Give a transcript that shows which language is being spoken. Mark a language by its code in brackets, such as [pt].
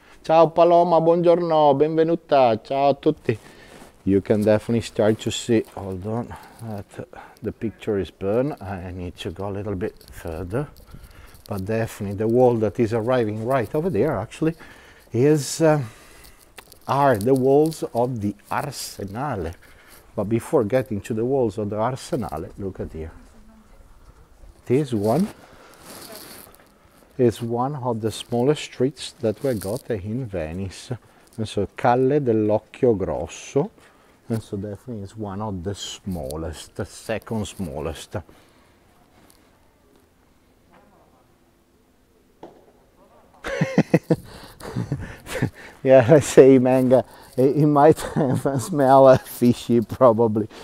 [it] Ciao Paloma, buongiorno, benvenuta, ciao a tutti. [en] You can definitely start to see, hold on, that the picture is burned. I need to go a little bit further. But definitely the wall that is arriving right over there actually is are the walls of the Arsenale. But before getting to the walls of the Arsenale, look at here. This one is one of the smallest streets that we got in Venice. And so Calle dell'Occhio Grosso. And so definitely it's one of the smallest, the second smallest. Yeah, I say manga, it might smell fishy probably.